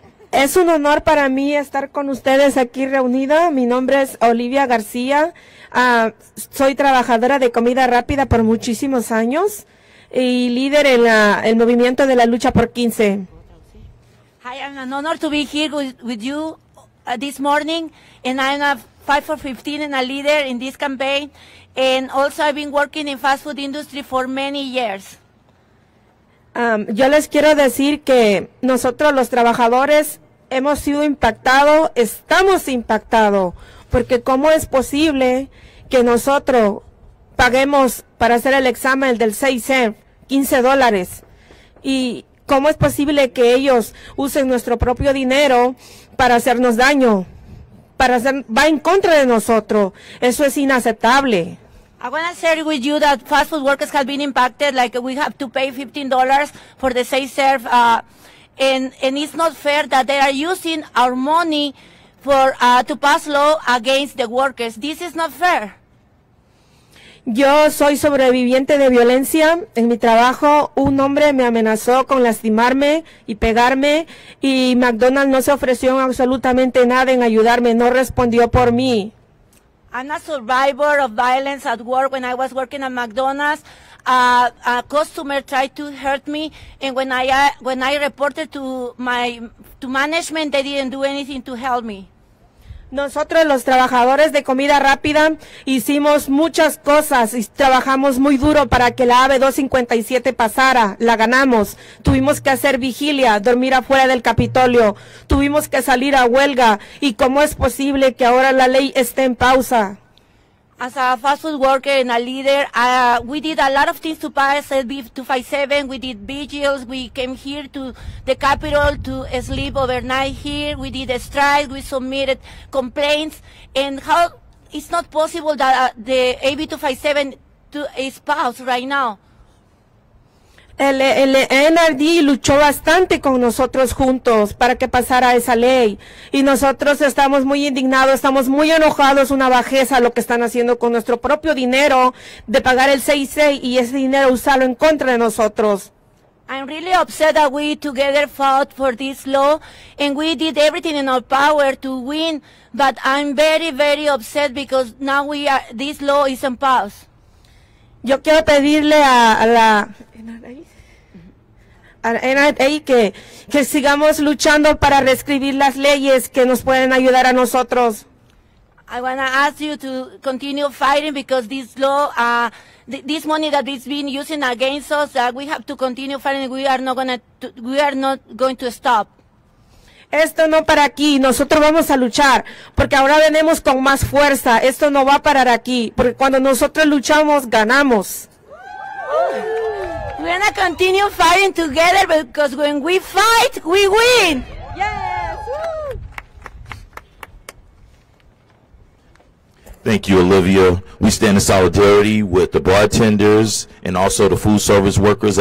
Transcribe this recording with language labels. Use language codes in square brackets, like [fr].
[es] Es un honor para mí estar con ustedes aquí reunida. Mi nombre es Olivia García. Soy trabajadora de comida rápida por muchísimos años y líder en el movimiento de la lucha por 15. [en] Hi, I'm an honor to be here with you this morning, and I'm a Fight for 15 and a leader in this campaign. And also I've been working in fast food industry for many years. [es] Yo les quiero decir que nosotros los trabajadores hemos sido impactados, estamos impactados, porque ¿cómo es posible que nosotros paguemos para hacer el examen del 6F, $15? ¿Y cómo es posible que ellos usen nuestro propio dinero para hacernos daño? Va en contra de nosotros. Eso es inaceptable. [en] I want to share with you that fast food workers have been impacted, like we have to pay $15 for the safe serve, and it's not fair that they are using our money for to pass law against the workers. This is not fair. [es] Yo soy sobreviviente de violencia. En mi trabajo, un hombre me amenazó con lastimarme y pegarme, y McDonald's no se ofreció absolutamente nada en ayudarme, no respondió por mí. [en] I'm a survivor of violence at work. When I was working at McDonald's, a customer tried to hurt me, and when I reported to management, they didn't do anything to help me. [es] Nosotros los trabajadores de comida rápida hicimos muchas cosas y trabajamos muy duro para que la AB-257 pasara. La ganamos. Tuvimos que hacer vigilia, dormir afuera del Capitolio. Tuvimos que salir a huelga. ¿Y cómo es posible que ahora la ley esté en pausa? [en] As a fast food worker and a leader, we did a lot of things to pass AB-257. We did vigils. We came here to the Capitol to sleep overnight here. We did a strike. We submitted complaints. And how it's not possible that the AB-257 is paused right now? [es] El NRD luchó bastante con nosotros juntos para que pasara esa ley. Y nosotros estamos muy indignados, estamos muy enojados, una bajeza lo que están haciendo con nuestro propio dinero de pagar el 6C y ese dinero usarlo en contra de nosotros. [en] I'm really upset that we together fought for this law and we did everything in our power to win, but I'm very, very upset because now we are, this law is in pause. [es] Yo quiero pedirle a la NRA que sigamos luchando para reescribir las leyes que nos pueden ayudar a nosotros. [en] I want to ask you to continue fighting because this law, this money that is being used against us, we have to continue fighting. We are not going to stop. [es] Esto no para aquí. Nosotros vamos a luchar porque ahora venimos con más fuerza. Esto no va a parar aquí porque cuando nosotros luchamos, ganamos. [en] We're going to continue fighting together because when we fight, we win. Yes. Thank you, Olivia. We stand in solidarity with the bartenders and also the food service workers.